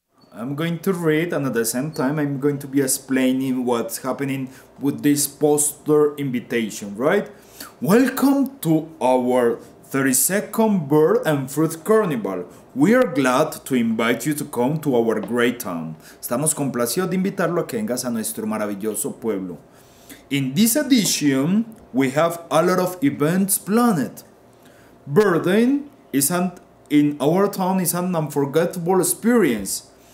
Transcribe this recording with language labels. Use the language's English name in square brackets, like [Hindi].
[English] I'm going to read, and at the same time, I'm going to be explaining what's happening with this poster invitation, right? Welcome to our 32nd Bird and Fruit Carnival. We are glad to invite you to come to our great town. [Spanish] Estamos complacidos de invitarlo a que vengas a nuestro maravilloso pueblo. [English] In this edition, we have a lot of events planned. Birding in our town is an unforgettable experience.